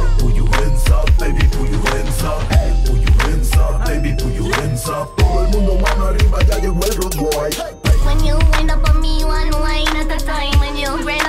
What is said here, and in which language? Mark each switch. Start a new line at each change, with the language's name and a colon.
English: Put your hands up, baby, put your hands up. Put your hands up, baby, put your hands up.
Spanish: Todo el mundo mano arriba, ya llegó el
English: road boy. When you wind up on me, one wine at a time. When you grind up on me, one grind is a cry.